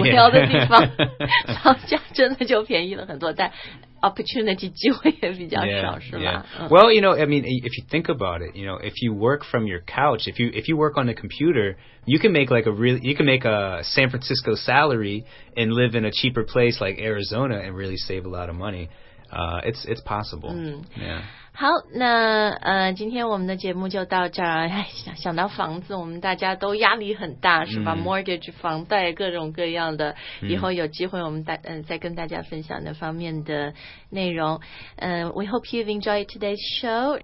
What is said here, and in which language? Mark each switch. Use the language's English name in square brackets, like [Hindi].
[Chinese] 无聊的地方，房价真的就便宜了很多。但opportunity 机会也比较少 yeah, 是吧、 yeah. [English] Well, you know, I mean, if you think about it, you know, if you work from your couch, if you work on a computer, you can make like a really, you can make a San Francisco salary and live in a cheaper place like Arizona and really save a lot of money. It's possible.、嗯、 yeah. [Chinese] 好，那今天我们的节目就到这儿。想到房子我们大家都压力很大是吧、嗯、 Mortgage, 房贷各种各样的。以后有机会我们再跟大家分享那方面的内容。 [English] We hope you've enjoyed today's show.